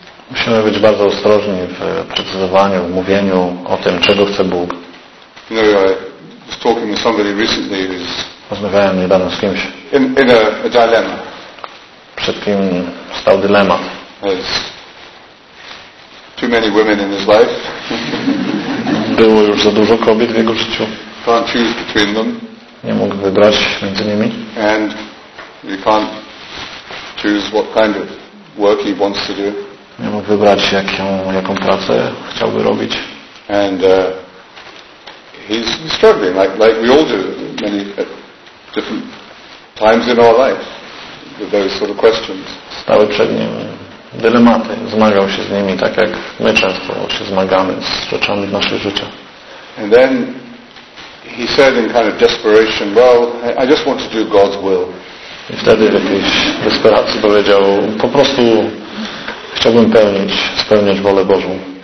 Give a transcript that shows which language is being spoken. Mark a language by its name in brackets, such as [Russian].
[Polish] Musimy być bardzo ostrożni w precyzowaniu, w mówieniu o tym, czego chce Bóg. [English] You know, I was talking with somebody recently who's [Polish] rozmawiałem niedawno z kimś. [English] In a dilemma. [Polish] Przed kim stał dylemat. [English] There's too many women in his life. [Polish] Było już za dużo kobiet w jego życiu. [English] Can't choose between them. [Polish] Nie mógł wybrać między nimi. [English] And he can't choose what kind of work he wants to do. [Polish] Nie mógł wybrać jaką pracę chciałby robić. [English] And he's struggling like we all do many at different times in our life with those sort of questions. [Polish] Stały przed nim dylematy, zmagał się z nimi tak jak my często się zmagamy z rzeczami w naszych życiach. [English] And then he said in kind of desperation, well, I just want to do God's will. [Polish] I wtedy w jakiejś desperacji powiedział, po prostu chciałbym spełniać wolę Bożą.